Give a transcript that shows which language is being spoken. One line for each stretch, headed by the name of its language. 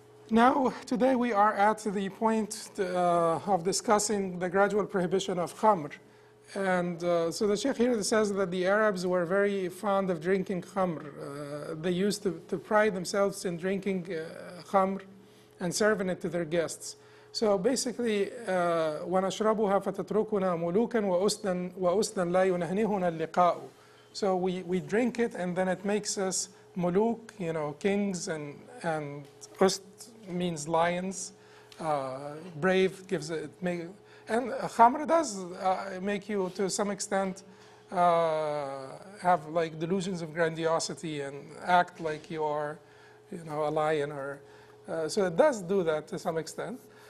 English: Now, today we are at the point of discussing the gradual prohibition of khamr. And so the sheikh here says that the Arabs were very fond of drinking khamr. They used to pride themselves in drinking khamr and serving it to their guests. So basically,
Arabic: وَنَشْرَبُهَا فَتَتْرُكُنَا مُلُوكًا وَأُسْدًا لَا يُنَهْنِهُنَا اللِّقَاءُ.
English: So we drink it, and then it makes us muluk, you know, kings, and ust means lions, brave, gives it, and khamr does make you to some extent have like delusions of grandiosity and act like you are, you know, a lion or, so it does do that to some extent.